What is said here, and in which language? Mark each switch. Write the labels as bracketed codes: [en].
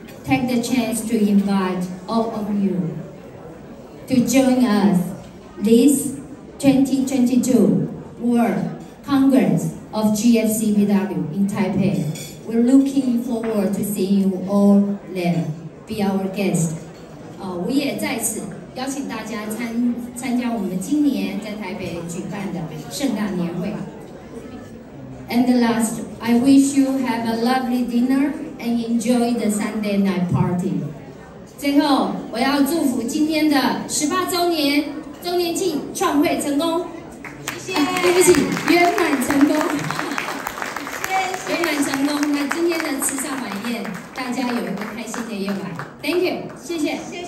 [en] take the chance to invite all of you to join us this 2022 World Congress of GFCBW in Taipei. We're looking forward to seeing you all there. Be our guest. [zh] 我也在此邀请大家参加我们今年在台北举办的圣诞年会。 [en] And last, I wish you have a lovely dinner and enjoy the Sunday night party. [zh] 最后，我要祝福今天的18周年庆创会成功。谢谢。对不起，圆满成功。谢谢。圆满成功。那今天的慈善晚宴，大家有一个开心的夜晚。 [en] Thank you， [zh] 谢谢。